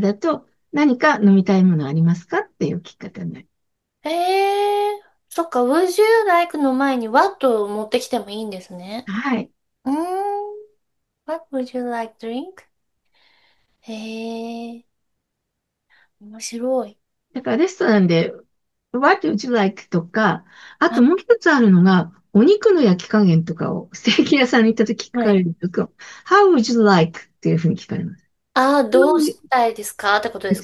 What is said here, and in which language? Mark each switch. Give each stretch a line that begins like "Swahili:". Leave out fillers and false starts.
Japanese: だと、何か飲みたいものありますかっていう聞き方になる。そっか、
English: Would you like
Japanese: の前に What を持ってきてもいいんですね。はい。
English: What would you like drink?
Japanese: 面白い。だから、レストランで、
English: What would you like?
Japanese: とか、あともう一つあるのが、お肉の焼き加減とかを、ステーキ屋さんに行った時聞かれるとか、
English: How would you like?
Japanese: っていうふうに聞かれます。ああ、どうしたいですかってことです